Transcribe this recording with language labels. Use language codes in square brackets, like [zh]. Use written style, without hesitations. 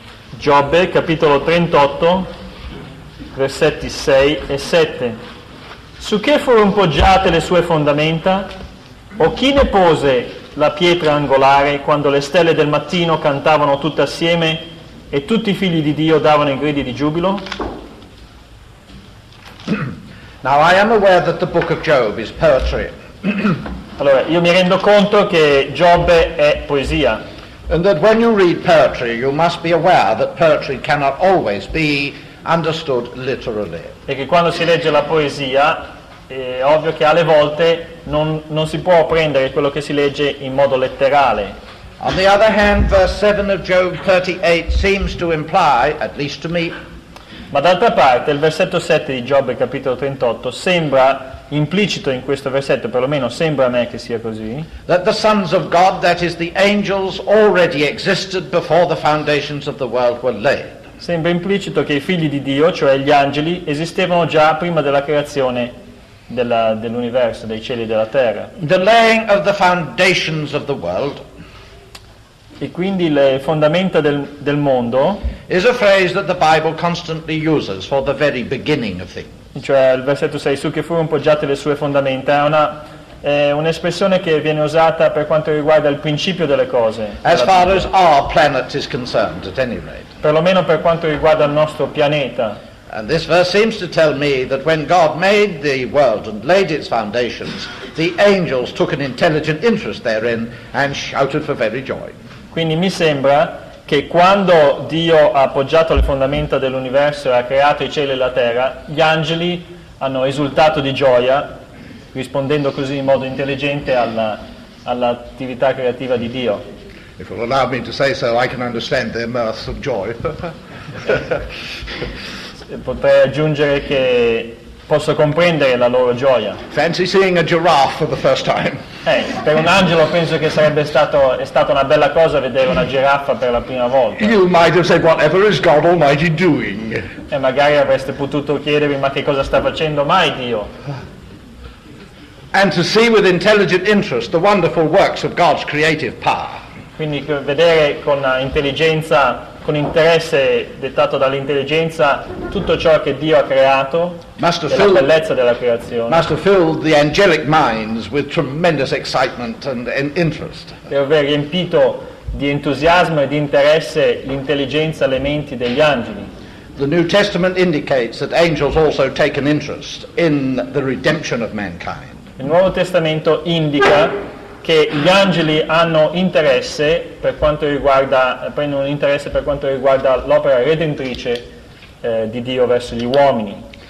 [it] Giobbe, capitolo 38, versetti 6 e 7. Su che furono poggiate le sue fondamenta? O chi ne pose la pietra angolare quando le stelle del mattino cantavano tutte assieme e tutti i figli di Dio davano i gridi di giubilo? [en] Now I am aware that the book of Job is poetry. [it] Allora, io mi rendo conto che Giobbe è poesia. [en] And that when you read poetry, you must be aware that poetry cannot always be understood literally. [it] E che quando si legge la poesia, è ovvio che alle volte non si può prendere quello che si legge in modo letterale. [en] On the other hand, verse 7 of Job 38 seems to imply, at least to me, [it] ma d'altra parte il versetto 7 di Giobbe capitolo 38 sembra implicito in questo versetto, perlomeno sembra a me che sia così, [en] that the sons of God, that is the angels, already existed before the foundations of the world were laid. [it] Sembra implicito che i figli di Dio, cioè gli angeli, esistevano già prima della creazione dell'universo, dei cieli e della terra. [en] The laying of the foundations of the world. [it] E quindi le fondamenta del mondo [en] is a phrase that the Bible constantly uses for the very beginning of things. [it] Cioè il versetto 6, su che furono poggiate le sue fondamenta, è un'espressione che viene usata per quanto riguarda il principio delle cose. [en] As far as our planet is concerned, at any rate. [it] Per lo meno per quanto riguarda il nostro pianeta. [en] And this verse seems to tell me that when God made the world and laid its foundations, the angels took an intelligent interest therein and shouted for very joy. [it] Quindi mi sembra che quando Dio ha appoggiato le fondamenta dell'universo e ha creato i cieli e la terra, gli angeli hanno esultato di gioia, rispondendo così in modo intelligente all'attività creativa di Dio. [en] If you'll allow me to say so, I can understand their mirth of joy. [it] Potrei aggiungere che posso comprendere la loro gioia. [en] Fancy seeing a giraffe for the first time. [it] Per un angelo penso che sarebbe stato, è stata una bella cosa vedere una giraffa per la prima volta. [en] You might have said, whatever is God Almighty doing? [it] E magari avreste potuto chiedervi, ma che cosa sta facendo mai Dio? [en] And to see with intelligent interest the wonderful works of God's creative power. [it] Quindi vedere con intelligenza, con interesse dettato dall'intelligenza, tutto ciò che Dio ha creato, [en] must have [it] e la bellezza della creazione, [en] must have filled the angelic minds with tremendous excitement and interest. [it] Deve aver riempito di entusiasmo e di interesse l'intelligenza e le menti degli angeli. [en] The New Testament indicates that angels also take an interest in the redemption of mankind. [it] Il Nuovo Testamento indica che gli angeli hanno interesse per quanto riguarda, prendono un interesse per quanto riguarda l'opera redentrice di Dio verso gli uomini.